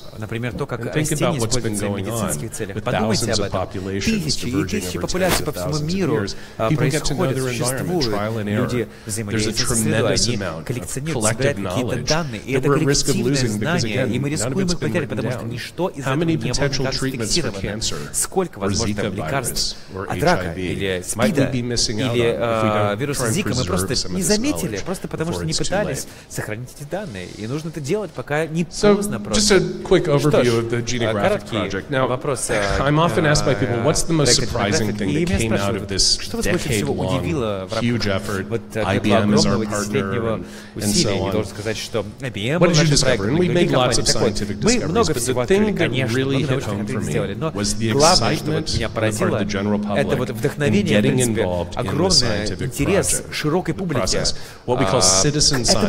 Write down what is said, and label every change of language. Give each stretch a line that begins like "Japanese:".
English: And think about what's been going on with thousands of populations diverging every 10,000 years. People get to know their environment, trial and error. There's a tremendous amount of collective knowledge that we're at risk of losing because, again, none of it's been
Russian: потеряли, потому что ничто из этого не было зафиксировано. Сколько, возможно, лекарств от рака или СПИДа или вируса Зика мы просто не заметили, просто потому что не пытались сохранить эти данные. И нужно это делать, пока не поздно просто. Короткий вопрос.
English: I'm often asked by people, what's the most surprising thing that came out of this decade-long huge effort? IBM is our partner, and so on. What did you discover? And we make lots of scientific discoveries, but the thing that really hit home for me was the excitement on the part of the general public in getting involved in the scientific process, what we call citizen science.